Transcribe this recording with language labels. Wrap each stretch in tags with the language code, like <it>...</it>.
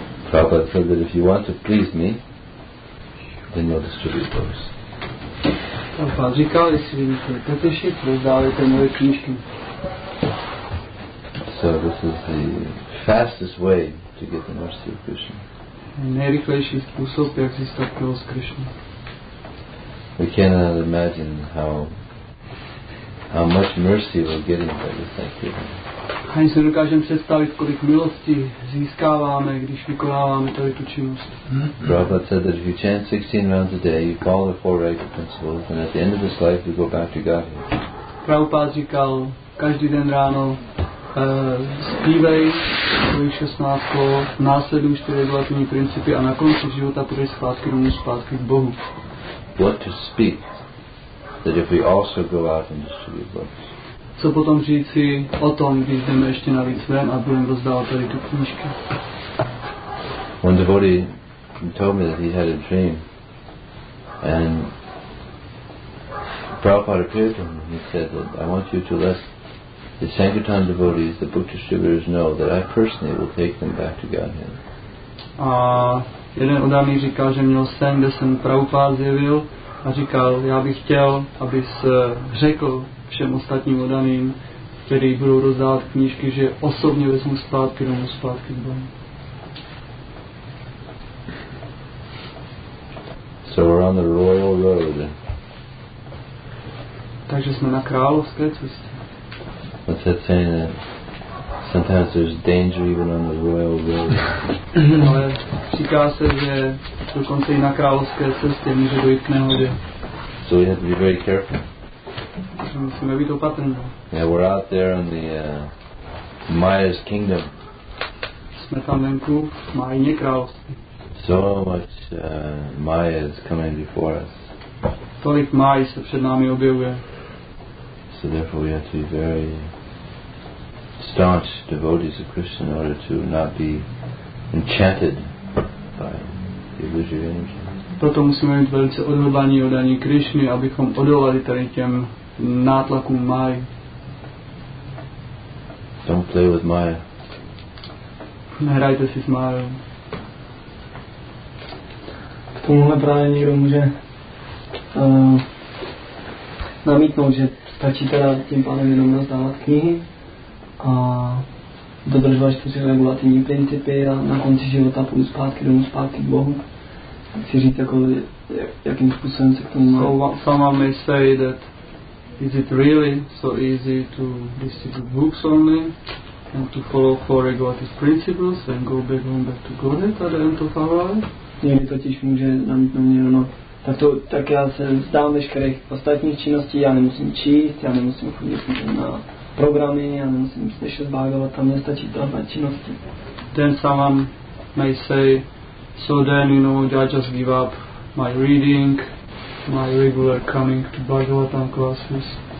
<en>Prabhupada said that if you want to please me, then you'll distribute books.</en> <cs>Prabhupada říkal, jestli mi to potěšit, rozdávajte moje knížky.</cs> <en>So this is the fastest way to get the mercy of Krishna.</en> <cs>Nejrychlejší způsob, jak získat milost Krishna.</cs> <en>We cannot imagine how much mercy we're getting by this activity.</en> <cs>Ani se nedokážeme představit, kolik milosti získáváme, když vykonáváme tady tu činnost.</cs> <en>Prabhupada said that if you chant 16 rounds a day, you follow the four regular principles, and at the end of this life, you go back to Godhead.</en> <cs>Prabhupada říkal, každý den ráno zpívej svojich 16 kol, následuj 4 regulativní principy a na konci života půjdeš zpátky domů, zpátky k Bohu.</cs> <en>What to speak, that if we also go out and distribute books.</en> <cs>Co potom říci o tom, když jdeme ještě navíc ven a budeme rozdávat tady tu knížky.</cs> <en>One devotee told me that he had a dream and Prabhupada appeared to him and he said that I want you to let the Sankirtan devotees, the book distributors know that I personally will take them back to Godhead.</en> <cs>A jeden odámý říkal, že měl sen, kde jsem Prabhupada zjevil a říkal, já bych chtěl, abys řekl všem ostatním odaným, kteří budou rozdávat knížky, že osobně vezmu zpátky domů, zpátky k Bohu.</cs> <en>So we're on the royal road.</en> <cs>Takže jsme na královské cestě.</cs> <en>What's that saying? That sometimes there's danger even on the royal road.</en> <cs>Ale říká se, že dokonce i na královské cestě může dojít k nehodě.</cs> <en>So we have to be very careful.</en> <cs>Musíme být opatrní.</cs> <en>Yeah, we're out there in the Maya's kingdom.</en> <cs>Jsme tam venku v Mayině království.</cs> <en>So much Maya is coming before us.</en> <cs>Tolik Mayi se před námi objevuje.</cs> <en>So therefore we have to be very staunch devotees of Krishna in order to not be enchanted by the illusory energy.</en> <cs>Proto musíme být velice odhodlaní oddaní Krišny, abychom odolali tady těm nátlakům Mayi.</cs> <en>Don't play with Maya.</en> <cs>Nehrajte si s Mayou. Tomuhle právě někdo může namítnout, že stačí teda tím pádem jenom rozdávat knihy a dodržovat čtyři regulativní principy a na konci života půjdu zpátky domů, zpátky k Bohu. Chci říct, jako, jakým způsobem se k tomu má.</cs> <en>So some may say that is it really so easy to distribute books only and to follow four regulative principles and go back home back to Godhead at the end of our life?</en> <cs>Někdy totiž může namítnout mě, no, tak to, tak já se vzdám veškerých ostatních činností, já nemusím číst, já nemusím chodit na programy, já nemusím slyšet bhagavat, tam nestačí tohle činnosti.</cs> <en>Then someone may say, so then, you know, I just give up my reading, my regular coming to bhagavatam classes.</en>